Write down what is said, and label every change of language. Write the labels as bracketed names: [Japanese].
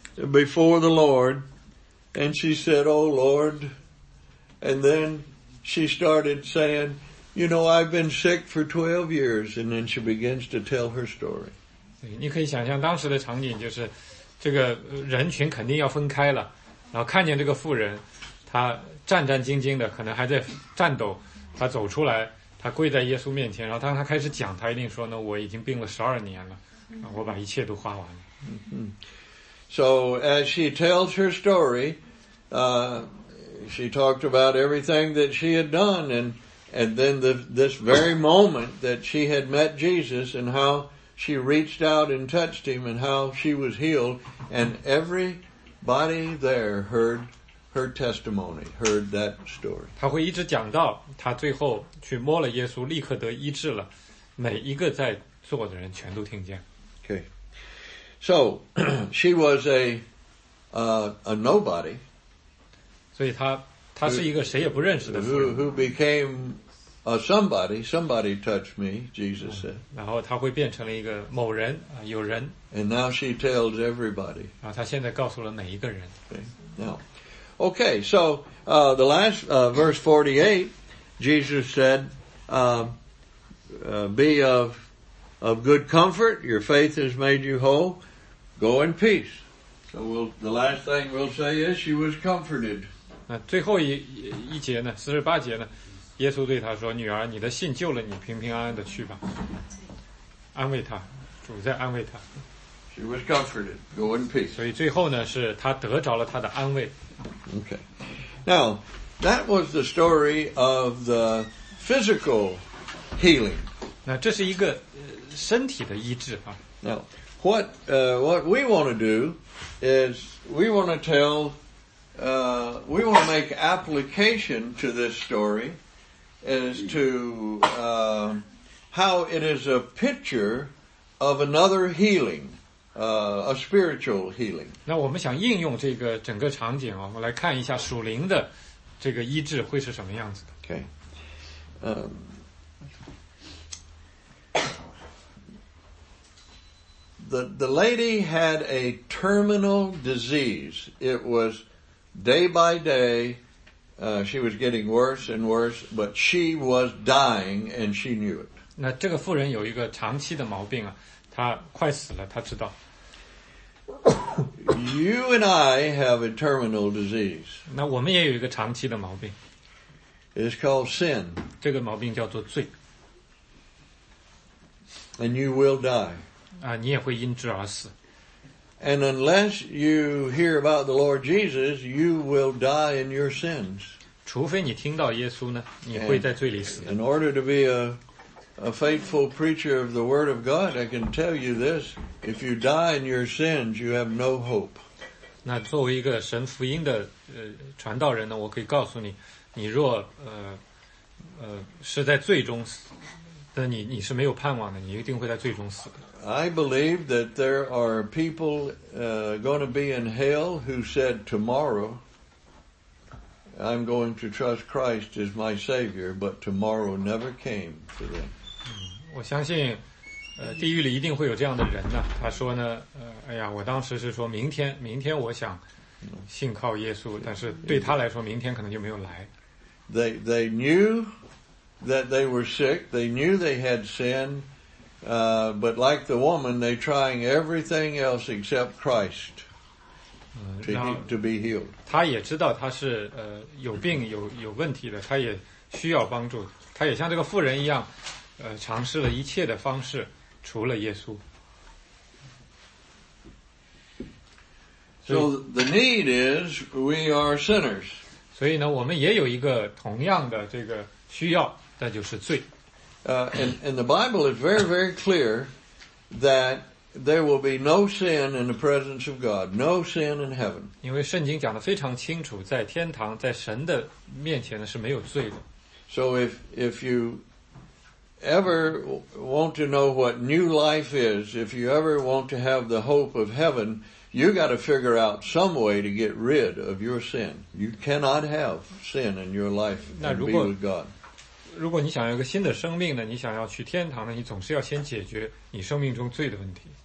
[English] before the Lord, and she said, "Oh Lord," and then she started saying, "You know, I've been sick for 12 years," and then she begins to tell her story. [Chinese] 你可以想象当时的场景，就是这个人群肯定要分开了，然后看见这个妇人，她战战兢兢的，可能还在颤抖，她走出来，她跪在耶稣面前，然后当她开始讲，她一定说呢，我已经病了12年了，我把一切都花完了。 [English] So as she tells her story, she talked about everything that she had done, and then this very moment that she had met Jesus and how she reached out and touched him and how she was healed, and everybody there heard her testimony, heard that story. [Chinese] 她会一直讲到她最后去摸了耶稣立刻得医治了，每一个在座的人全都听见。 [English] Okay. So, she was a nobody. [Chinese] 所以她是一个谁也不认识的妇人。 [English] Who becameSomebody touched me, Jesus said. [Chinese] 然后他会变成了一个某人，有人。 [English] And now she tells everybody. [Chinese] 然后他现在告诉了每一个人。 [English] Okay, so, the last, verse 48, Jesus said, be of good comfort, your faith has made you whole, go in peace. So the last thing we'll say is she was comforted. [Chinese] 那最后一节呢，四十八节呢，耶稣对他说，女儿，你的信救了你，平平安安的去吧。安慰他，主在安慰他。 [English] She was comforted. Go in peace. [Chinese] 所以最后呢，是他得着了他的安慰。 [English] Okay. Now, that was the story of the physical healing. [Chinese] 那这是一个身体的医治啊。 [English] Now, what we want to do is we want to make application to this story. As to how it is a picture of another healing, a spiritual healing. [Chinese] 那我们想应用这个整个场景啊，我们来看一下属灵的这个医治会是什么样子的。 [English] Okay. The lady had a terminal disease. It was day by day. She was getting worse and worse, but she was dying and she knew it. [Chinese] 那这个妇人有一个长期的毛病啊，她快死了，她知道。 [English] You and I have a terminal disease. [Chinese] 那我们也有一个长期的毛病。 [English] It's called sin. [Chinese] 这个毛病叫做罪。 [English] And you will die. [Chinese] 啊，你也会因之而死。 [English] And unless you hear about the Lord Jesus, you will die in your sins. [Chinese] 除非你听到耶稣呢，你会在罪里死。 [English] In order to be a faithful preacher of the Word of God, I can tell you this, if you die in your sins, you have no hope. [Chinese] 那作为一个神福音的传道人呢，我可以告诉你，你若是在罪中死，那你是没有盼望的，你一定会在罪中死的。 [English] I believe that there are people going to be in hell who said, tomorrow I'm going to trust Christ as my Savior, but tomorrow never came for them. [Chinese] 我相信地狱里一定会有这样的人呢，他说呢，哎呀，我当时是说明天我想信靠耶稣，但是对他来说明天可能就没有来。 [English] They knew that they were sick, they knew they had sinned,but like the woman, they're trying everything else except Christ to be healed. [Chinese] 他也知道他是有病有问题的，他也需要帮助，他也像这个妇人一样尝试了一切的方式除了耶稣。 [English] So the need is we are sinners. [Chinese] 所以呢，我们也有一个同样的这个需要，那就是罪。 [English] And the Bible is very, very clear that there will be no sin in the presence of God, no sin in heaven. [Chinese] 因为圣经讲得非常清楚，在天堂，在神的面前呢是没有罪的。 [English] So if you ever want to know what new life is, if you ever want to have the hope of heaven, you got to figure out some way to get rid of your sin. You cannot have sin in your life and be with God. [Chinese] 如果你想要一个新的生命呢，你想要去天堂呢，你总是要先解决你生命中罪的问题。